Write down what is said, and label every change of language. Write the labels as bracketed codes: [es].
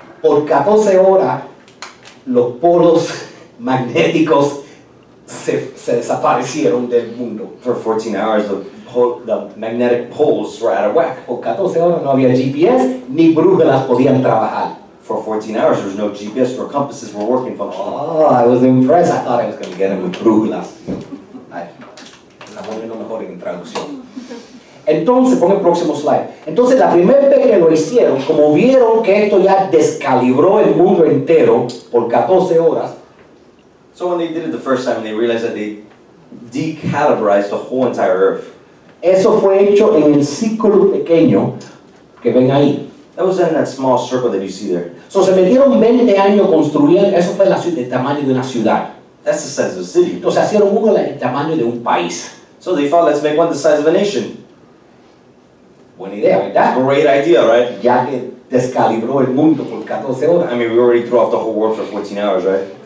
[es] Por 14 horas los polos magnéticos se desaparecieron del mundo. [en] For 14 hours, the the magnetic poles were out of whack. [es] Por 14 horas no había GPS, ni brújulas podían trabajar. [en] For 14 hours, there was no GPS, or compasses were working functionally. Oh, I was impressed. I thought I was going to get him with brújulas. [es] Está volviendo mejor en traducción. Entonces, pon el próximo slide. Entonces, la primera vez que lo hicieron, como vieron que esto ya descalibró el mundo entero por 14 horas. [en] So when they did it the first time, they realized that they decalibrized the whole entire Earth. [es] Eso fue hecho en el círculo pequeño que ven ahí. [en] That was in that small circle that you see there. [es] So se metieron 20 años construyendo, eso fue el tamaño de una ciudad. [en] That's the size of a city. [es] Entonces hicieron uno del tamaño de un país. [en] So they thought, let's make one the size of a nation. [es] Buena idea, ¿verdad? [en] Great idea, right? [es] Ya que descalibró el mundo por 14 horas. [en] I mean, we already threw off the whole world for 14 hours, right?